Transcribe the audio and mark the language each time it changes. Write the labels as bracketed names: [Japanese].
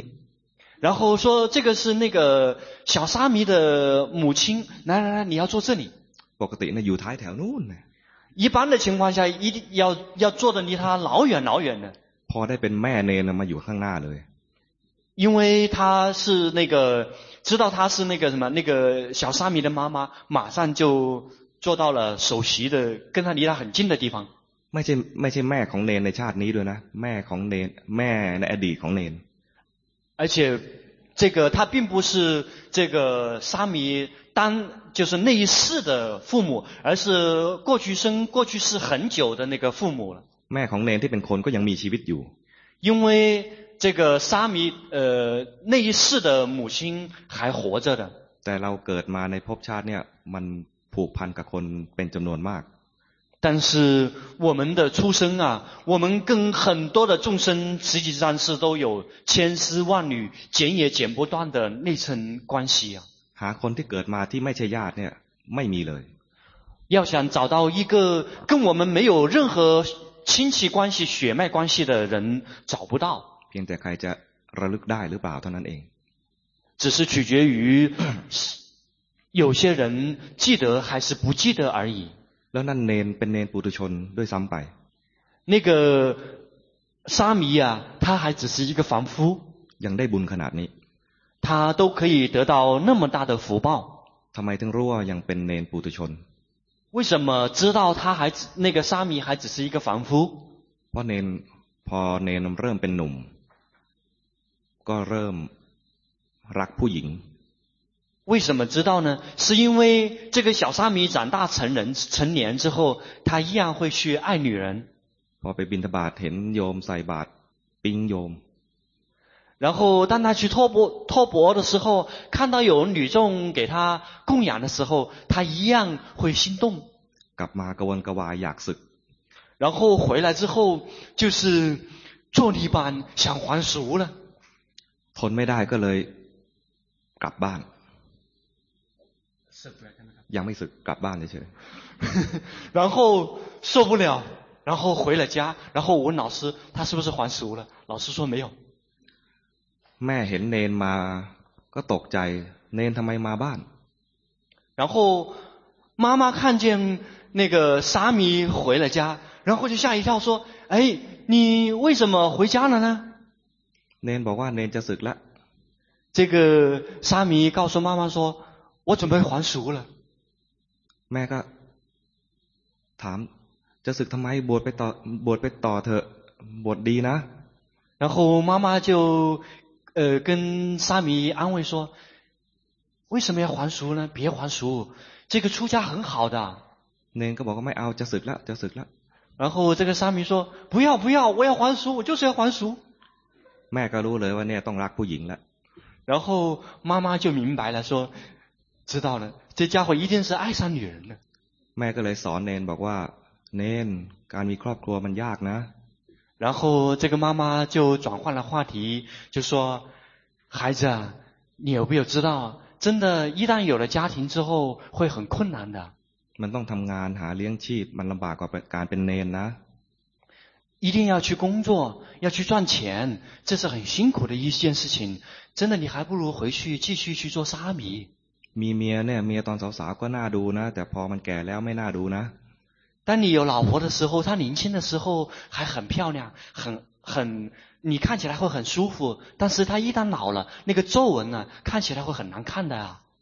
[Chinese] 然后说这个是那个小沙弥的母亲来你要坐这里 [Thai] ปกตินะอยู่ท้ายแถวนู่นนะ [Chinese] 一般的情况下一定要坐的离他老远老远的 [Thai] พอได้เป็นแม่เนนมาอยู่ข้างหน้าเลย [Chinese] 因为他是那个知道他是那个什么那个小沙弥的妈妈马上就坐到了首席的跟他离他很近的地方 [Thai] ไม่ใช่แม่ของเนนในชาตินี้ด้วยนะแม่ของเนนแม่ในอดีตของเน [Chinese] น而且这个他并不是这个沙弥当就是那一世的父母而是过去生过去世很久的那个父母了 [Thai] แม่ของเนนที่เป็นคนก็ยังมีชีวิตอยู่ [Chinese] 因为这个沙弥那一世的母亲还活着的 [Thai] แต่เราเกิดมาในภพชาติเนี่ยมันผูกพันกับคนเป็นจำนวนมาก [Chinese] 但是我们的出生啊我们跟很多的众生实际上是都有千丝万缕剪也剪不断的那层关系啊 [Thai] หาคนที่เกิดมาที่ไม่ใช่ญาติเนี่ยไม่มีเลย [Chinese] 要想找到一个跟我们没有任何亲戚关系血脉关系的人找不到 [Thai] เพียงแต่ใครจะระลึกได้หรือเปล่าเท่านั้นเอง [Chinese] 只是取决于有些人记得还是不记得而已。 [Thai] แล้วนั่นเนนเป็นเนนปุถุชนด้วยซ้ำไป。 [Chinese] 那个沙弥啊，他还只是一个凡夫。 [Thai] ยังได้บุญขนาดนี้。 [Chinese] 他都可以得到那么大的福报。 [Thai] ทำไมถึงรู้ว่ายังเป็นเนนปุถุชน？ [Chinese] 为什么知道他还那个沙弥还只是一个凡夫？ [Thai] เพราะเนนพอเนนเริ่มเป็นหนุ่มก็เริ่มรักผู้หญิง [Chinese] 为什么知道呢是因为这个小沙弥长大成人成年之后他依然会去爱女人 [Thai] พอไปบิณฑบาตเห็นโยมใส่บาตรปิ้งโยม [Chinese] 然后当他去托钵的时候看到有女众给他供养的时候他依然会心动 [Thai] กลับมากระวนกระวายอยากศึก [Chinese] 然后回来之后就是坐立不安想还俗了 [Thai] ทนไม่ได้ก็เลยกลับบ้านยังไม่สึกกลับบ้านเฉย [Chinese] 然后受不了然后回了家然后我问老师他是不是还俗了老师说没有 [Thai] แม่เห็นเนนมาก็ตกใจเนนทำไมมาบ้าน [Chinese] 然后妈妈看见那个沙弥回了家然后就吓一跳说哎你为什么回家了呢 [Thai] เนนบอกว่าเนนจะสึกแล้ว [Chinese] 这个沙弥告诉妈妈说我准备还俗了 [Thai] แม่ก็ถามจะสึกทำไมบวชไปต่อเถอะบวชดีนะ [Chinese] 然后妈妈就跟沙弥安慰说为什么要还俗呢别还俗这个出家很好的 [Thai] เนนก็บอกว่าไม่เอาจะสึกแล้วจะสึกแล้ว [Chinese] 然后这个沙弥说不要不要我要还俗我就是要还俗 [Thai] แม่ก็รู้เลยว่าเนี่ยต้องรักผู้หญิงแล้ว [Chinese] 然后妈妈就明白了说知道了这家伙一定是爱上女人了 [Thai] แม่ก็เลยสอนเนนบอกว่าเนนการมีครอบครัวมันยากนะ [Chinese] 然后这个妈妈就转换了话题就说孩子你有没有知道真的一旦有了家庭之后会很困难的 [Thai] มันต้องทำงานหาเลี้ยงชีพมันลำบากกว่าการเป็นเนนนะ [Chinese] 一定要去工作要去赚钱这是很辛苦的一件事情真的你还不如回去继续去做沙弥 [Thai] มีเมียเนี่ยเมียตอนสาวๆก็น่าดูนะแต่พอมันแก่แล้วไม่น่าดูนะ [Chinese] 当你有老婆的时候她年轻的时候还很漂亮很你看起来会很舒服但是她一旦老了那个皱纹呢看起来会很难看的啊